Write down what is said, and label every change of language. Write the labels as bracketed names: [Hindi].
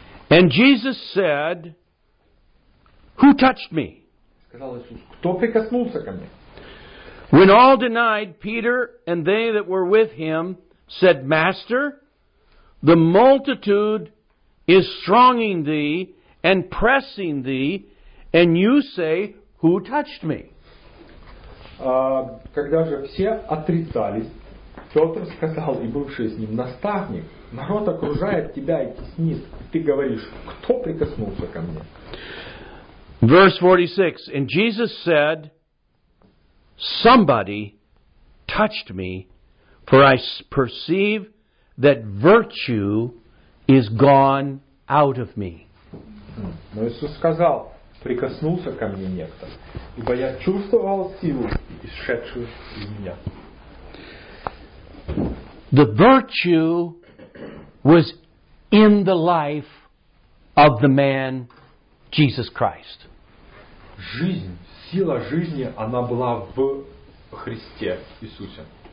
[English] And Jesus said, "Who touched me?" [Russian] Сказал Иисус, кто прикоснулся ко мне? [English] When all denied, Peter and they that were with him said, "Master, the multitude is thronging thee and pressing thee, and you say, who touched me?" [Russian] Когда же все отрицались, Петр сказал и бывший с ним наставник, народ окружает тебя и теснит, и ты говоришь, кто прикоснулся ко мне? [English] Verse 46, and Jesus said, somebody touched me, for I perceive that virtue is gone out of me. [Russian] Но Иисус сказал, прикоснулся ко мне некто, ибо я чувствовал силу, исшедшую из меня. [English] The virtue was in the life of the man Jesus Christ. [Russian] Жизнь, сила жизни, она была в Христе Иисусе.